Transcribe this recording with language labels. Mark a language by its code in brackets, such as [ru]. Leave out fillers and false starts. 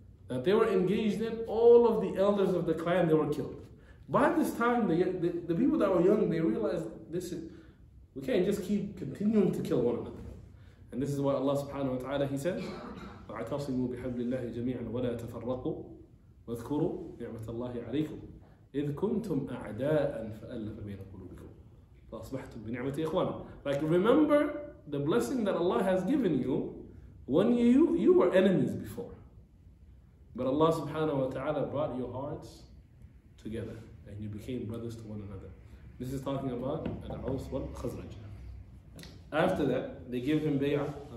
[en] That they were engaged in, all of the elders of the clan, they were killed. By this time, the people that were young, they realized, we can't just keep continuing to kill one another. And this is why Allah subhanahu wa ta'ala, he said, [ar] وَعَتَصِمُوا بِحَبْلِ اللَّهِ جَمِيعًا وَلَا تَفَرَّقُوا واذكروا نعمة الله عليكم إذ كنتم أعداء فألف بين قلوبكم فأصبحتم بنعمته إخوانا. [en] Like remember the blessing that Allah has given you when you were enemies before. But Allah subhanahu wa ta'ala brought your hearts together and you became brothers to one another. This is talking about Al-Aws wal-Khazraj. After that, they gave him bay'ah.